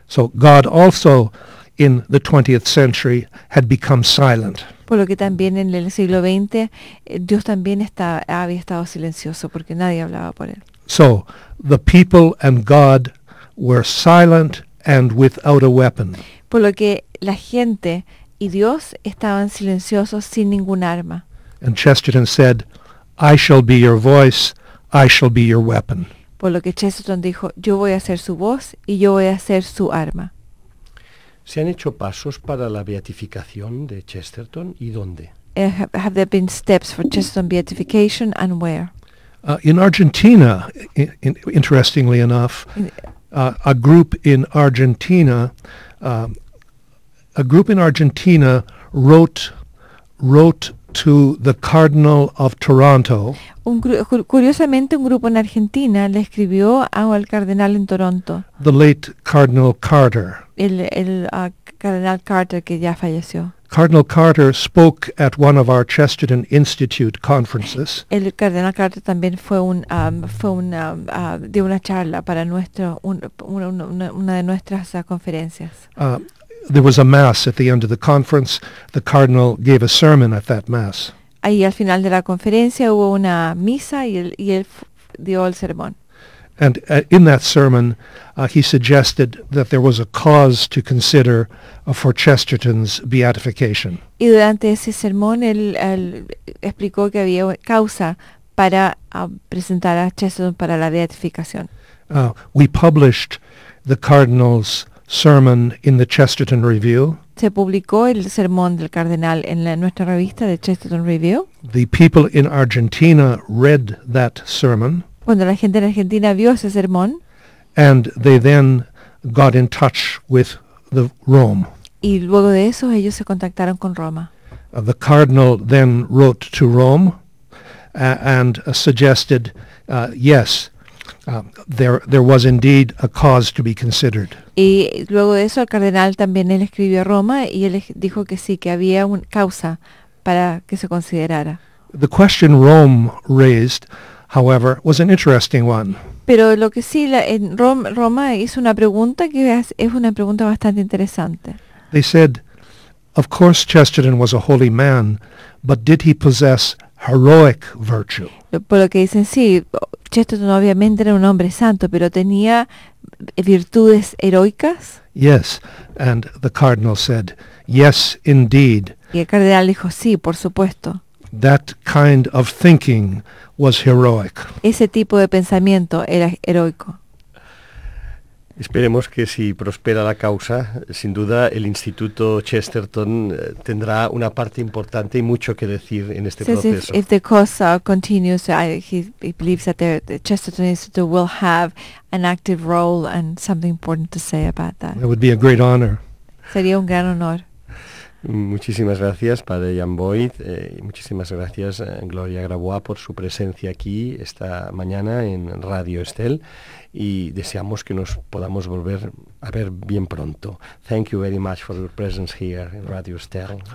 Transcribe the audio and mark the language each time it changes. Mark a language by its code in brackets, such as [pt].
[en] So God also, in the 20th century, had become silent. [es] Por lo que también en el siglo XX, Dios también había estado silencioso porque nadie hablaba por él. [en] So the people and God were silent and without a weapon. [es] Por lo que la gente y Dios estaban silenciosos sin ningún arma. [en] And Chesterton said, I shall be your voice, I shall be your weapon. [es] Por lo que Chesterton dijo, yo voy a ser su voz y yo voy a ser su arma. ¿Se han hecho pasos para la beatificación de Chesterton y dónde? [en] Have there been steps for Chesterton beatification and where? In Argentina, interestingly enough, a group in Argentina wrote to the Cardinal of Toronto. [es] Curiosamente, un grupo en Argentina le escribió al cardenal en Toronto. [en] The late Cardinal Carter. [es] El cardenal Carter que ya falleció. [en] Cardinal Carter spoke at one of our Chesterton Institute conferences. [es] El cardenal Carter también dio una charla para una de nuestras conferencias. [en] There was a mass at the end of the conference. The cardinal gave a sermon at that mass. [es] Ahí al final de la conferencia hubo una misa y él dio el sermón. [en] And in that sermon, he suggested that there was a cause to consider for Chesterton's beatification. [es] Y durante ese sermón, él explicó que había causa para presentar a Chesterton para la beatificación. [en] We published the cardinal's sermon in the Chesterton Review. [es] Se publicó el sermón del cardenal en nuestra revista, The Chesterton Review. [en] The people in Argentina read that sermon. [es] Cuando la gente en Argentina vio ese sermón, [en] and they then got in touch with Rome. [es] Y luego de eso ellos se contactaron con Roma. [en] The cardinal then wrote to Rome and suggested, yes, there was indeed a cause to be considered. [es] Y luego de eso el cardenal también él escribió a Roma y él dijo que sí, que había una causa para que se considerara. [en] The question Rome raised, however, was an interesting one. [es] Pero lo que sí, Roma hizo una pregunta que es una pregunta bastante interesante. [en] They said, of course Chesterton was a holy man, but did he possess heroic virtue? [es] Por lo que dicen, sí, Chesterton obviamente era un hombre santo, pero ¿tenía virtudes heroicas? [en] Yes, and the cardinal said, yes, indeed. [es] Y el cardenal dijo, sí, por supuesto. [en] That kind of thinking was heroic. [es] Ese tipo de pensamiento era heroico. Esperemos que si prospera la causa, sin duda el Instituto Chesterton tendrá una parte importante y mucho que decir en este proceso. [en] If the cause continues, he believes that the Chesterton Institute will have an active role and something important to say about that. It would be a great honor. [es] Sería un gran honor. Muchísimas gracias, Padre Jan Boyd. Muchísimas gracias, Gloria Grabois, por su presencia aquí esta mañana en Radio Estel. Y deseamos que nos podamos volver a ver bien pronto. [en] Thank you very much for your presence here in Radio Estel.